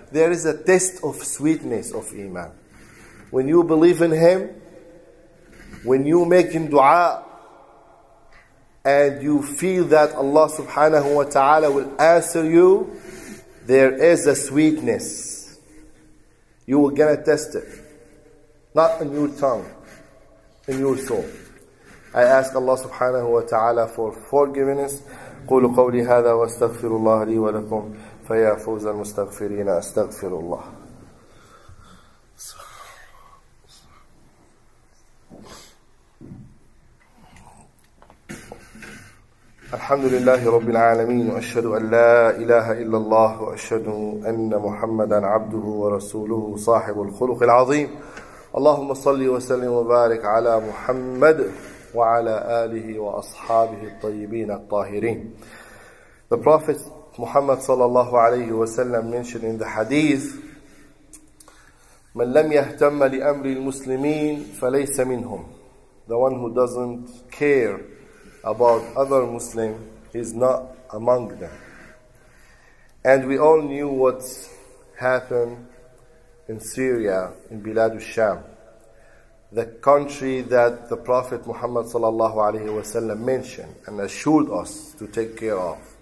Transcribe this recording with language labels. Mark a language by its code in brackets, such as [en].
[en] There is a test of sweetness of Iman. When you believe in Him, when you make Him dua, and you feel that Allah subhanahu wa ta'ala will answer you, there is a sweetness. You will gonna test it. Not in your tongue, in your soul. I ask Allah subhanahu wa ta'ala for forgiveness. [ar] قولوا قولي هذا واستغفروا الله لي ولكم فيا فوز المستغفرين استغفر الله. الحمد لله رب العالمين وأشهد أن لا إله إلا الله وأشهد أن محمدا عبده ورسوله صاحب الخلق العظيم. اللهم صل وسلم وبارك على محمد وعلى آله وأصحابه الطيبين الطاهرين. [en] The Prophet Muhammad [ar] صلى الله عليه وسلم [en] mentioned in the hadith [ar] من لم يهتم لأمر المسلمين فليس منهم. [en] The one who doesn't care about other Muslims is not among them. And we all knew what happened in Syria, in Bilad al-Sham, the country that the Prophet Muhammad sallallahu alaihi wasallam mentioned and assured us to take care of.